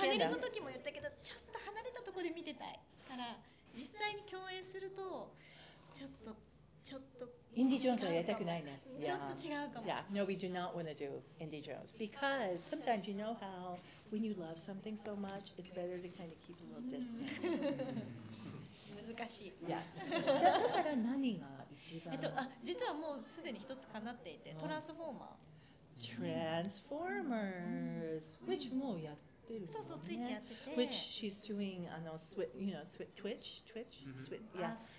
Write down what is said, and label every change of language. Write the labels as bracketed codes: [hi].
[ja] パネルの時も言ったけどちょっと離れたところで見てたいから実際に共演するとちょっとインディ・ジョーンズはやりたくないね。ちょっと違うかも。 [en] Yeah, no, we do not want to do Indy Jones because sometimes you know how when you love something so much, it's better to kind of keep a little distance. [ja] 難しい。 [en] Yes. [ja] じゃあだから何が一番？実はもうすでに一つ叶っていて、トランスフォーマー。 [en] Transformers, which [ja] もうやってる。そうそう、ツイッチやってて。 [en] Which she's doing, you know, Twitch, Swit, yeah.